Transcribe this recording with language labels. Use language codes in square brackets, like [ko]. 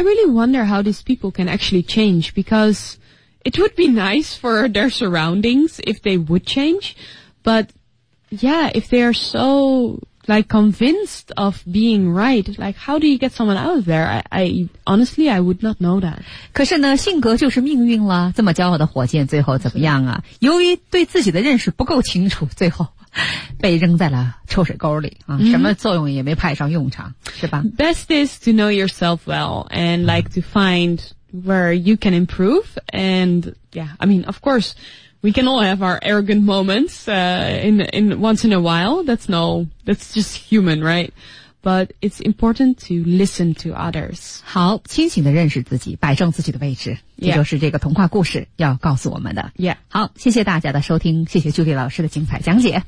[en] Yeah, I really wonder how these people can actually change, because it would be nice for their surroundings if they would change, but yeah, if they are so like convinced of being right, like how do you get someone out of there? I honestly would not know that. [zh] 可是呢，性格就是命运了。这么骄傲的火箭最后怎么样啊？由于对自己的认识不够清楚，最后被扔在了臭水沟里啊， mm-hmm. 什么作用也没派上用场，是吧 [en] ？Best is to know yourself well and like to find where you can improve. And yeah, I mean, of course, we can all have our arrogant moments, in once in a while. That's just human, right? But it's important to listen to others. [zh] 好，清醒地认识自己，摆正自己的位置，这就是这个童话故事要告诉我们的。 [en] Yeah. [zh] 好，谢谢大家的收听，谢谢Julie老师的精彩讲解。